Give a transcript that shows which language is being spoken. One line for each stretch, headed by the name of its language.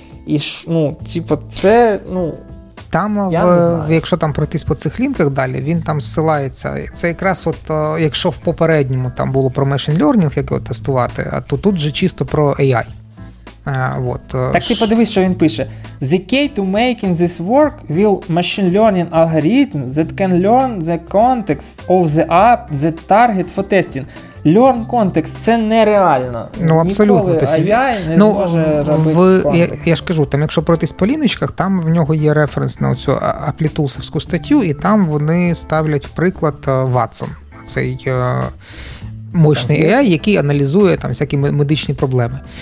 Ukrainian: І ж, ну, типу, це, ну, там, я не знаю. Якщо там пройтись по цих лінках далі, він там зсилається. Це якраз от, якщо в попередньому там було про machine learning, як його тестувати, а то тут же чисто про AI. От. Так ти подивись, що він пише.
English: The key to making this work will machine learning algorithm that can learn the context of the app, the target for testing. Learn context
Ukrainian: – це нереально. Ну, абсолютно. Ніколи AI не зможе робити контекст. Я ж кажу, там якщо пройтись по ліночках, там в нього є референс на цю аплітулсовську статтю, і там вони ставлять, в приклад, Watson. Цей... мощний AI, який аналізує там всякі медичні проблеми.